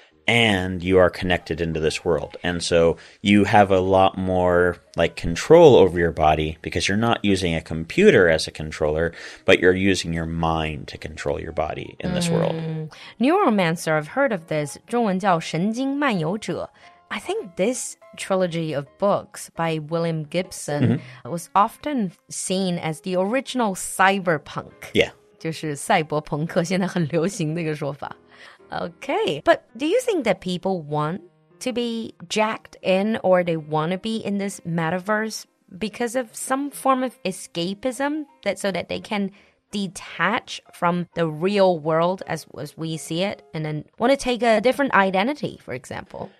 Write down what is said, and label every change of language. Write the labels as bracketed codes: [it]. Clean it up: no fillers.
[en] And you are connected into this world. And so you have a lot more like control over your body because you're not using a computer as a controller, but you're using your mind to control your body in this world. Neuromancer, I've heard of this. [zh] 中文叫神经漫游者。 [en] I think this trilogy of books by William Gibson was often seen as the original cyberpunk. Yeah. [zh] 就是赛博朋克现在很流行那个说法。 [en] Okay, but do you think that people want to be jacked in or they want to be in this metaverse because of some form of escapism so that they can detach from the real world as we see it and then want to take a different identity, for example?